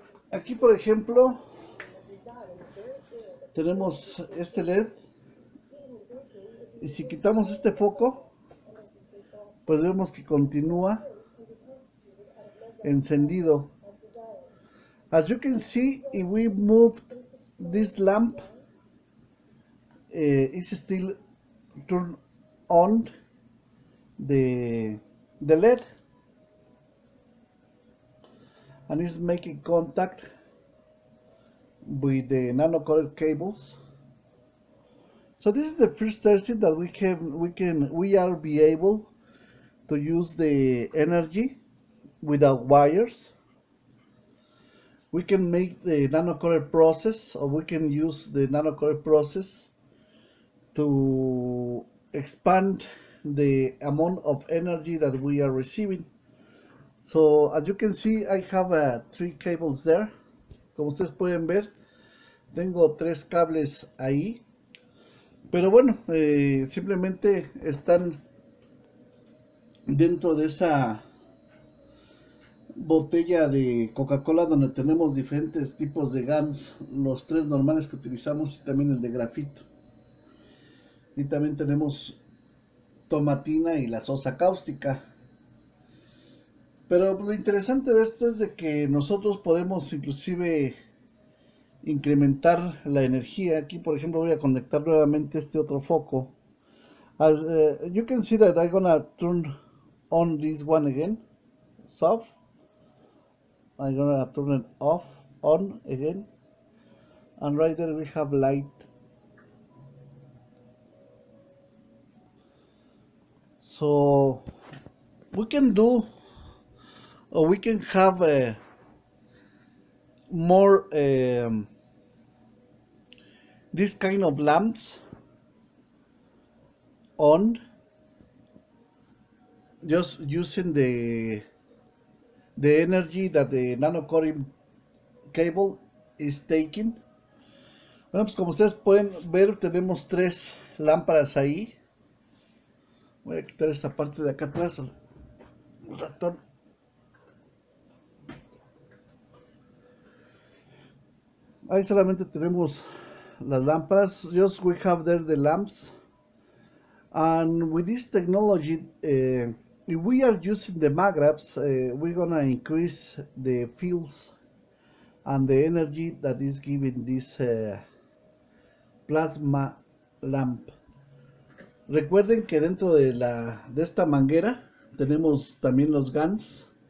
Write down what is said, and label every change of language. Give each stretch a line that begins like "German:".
Spanish: Aquí, por ejemplo, tenemos este LED. Y si quitamos este foco, pues vemos que continúa encendido.
English: As you can see, if we moved this lamp, it's still turned on the LED and is making contact with the nanocoil cables. So this is the first testing that we are able to use the energy without wires. We can make the nanocoil process, or we can use the nanocoil process to expand the amount of energy that we are receiving. So as you can see, I have three cables there.
Spanish: Como ustedes pueden ver, tengo tres cables ahí. Pero bueno, simplemente están dentro de esa botella de Coca-Cola donde tenemos diferentes tipos de GaNs, los tres normales que utilizamos y también el de grafito. Y también tenemos tomatina y la sosa cáustica. Pero lo interesante de esto es de que nosotros podemos inclusive incrementar la energía. Aquí, por ejemplo, voy a conectar nuevamente este otro foco.
English: As you can see that I'm gonna turn on this one again. Soft. I'm gonna turn it off, on again. And right there we have light. So we can do or we can have more this kind of lamps on, just using the energy that the nanocoring cable is taking.
Spanish: Bueno, pues como ustedes pueden ver, tenemos tres lámparas ahí. Voy a quitar esta parte de acá atrás, el ratón. Ahí solamente tenemos las lámparas.
English: Just we have there the lamps. And with this technology, if we are using the magraps, we're gonna increase the fields and the energy that is giving this plasma lamp.
Spanish: Recuerden que dentro de la de esta manguera tenemos también los GANs.